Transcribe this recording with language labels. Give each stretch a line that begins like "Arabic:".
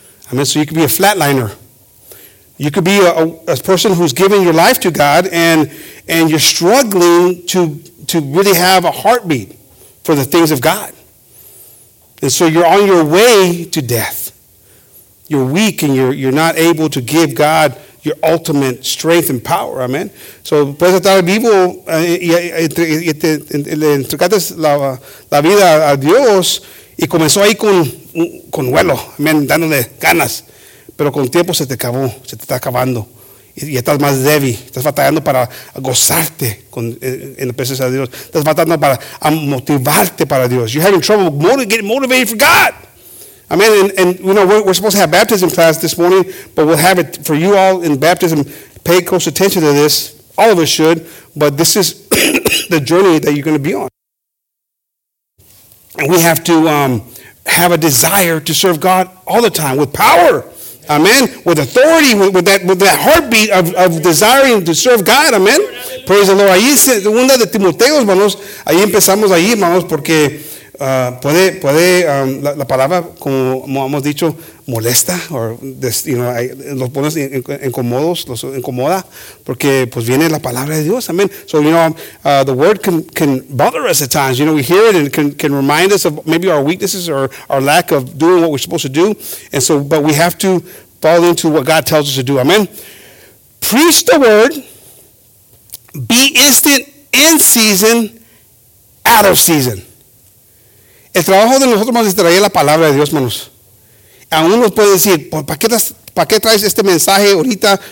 English: I mean, so you could be a flatliner. You could be a person who's giving your life to God and you're struggling to really have a heartbeat for the things of God. And so you're on your way to death. You're weak and you're not able to give God your ultimate strength and power. Amen.
Spanish: So puedes estar vivo y le entregaste la vida a Dios y comenzó ahí con vuelo, amén, dándole ganas, pero con tiempo se te está acabando, y estás más débil, estás batallando para gozarte en la presencia de Dios, estás batallando para motivarte para Dios.
English: You're having trouble getting motivated for God. Amen. And you know, we're supposed to have baptism class this morning, but we'll have it for you all in baptism. Pay close attention to this, all of us should, but this is the journey that you're going to be on. And we have to have a desire to serve God all the time with power. Amen. With authority, with that heartbeat of desiring to serve God.
Spanish: Amen.
English: Praise the Lord.
Spanish: Ahí es segunda de Timoteo, hermanos. Ahí empezamos ahí, hermanos, porque puede la palabra, como hemos dicho, molesta,
English: or you know,
Spanish: los pones incomodos, los incomoda, porque pues viene la palabra de Dios. Amen.
English: So, you know, the word can bother us at times. You know, we hear it and can remind us of maybe our weaknesses or our lack of doing what we're supposed to do. And so, but we have to fall into what God tells us to do. Amen. Preach the word, be instant in season, out of season.
Spanish: El trabajo de nosotros, hermanos, es traer la palabra de Dios, hermanos. A uno puede decir, ¿para qué traes este mensaje ahorita?